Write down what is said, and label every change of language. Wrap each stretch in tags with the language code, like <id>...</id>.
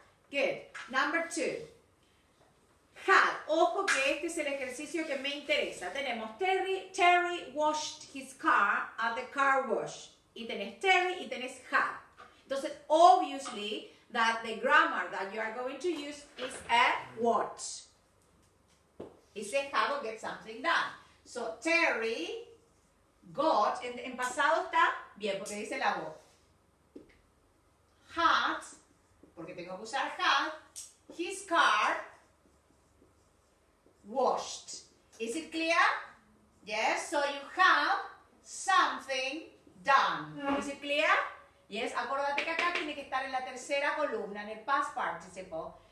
<en>Good, number two, have,</en> <es>ojo que este es el ejercicio que me interesa, tenemos</es> <en>Terry washed his car at the car wash.</en> <es>Y tenés Terry y tenés have.</es> <en>Entonces, obviously, that the grammar that you are going to use is a what. It's a how to get something done. So, Terry got,</en> <es>en pasado está, bien, porque dice la voz.</es> <en>Had,</en> <es>porque tengo que usar</es> <en>had, his car washed. Is it clear? Yes, so you have something done. Is it clear?</en> <es>Yes, acordate que acá tiene que estar en la tercera columna, en el past participle.</es>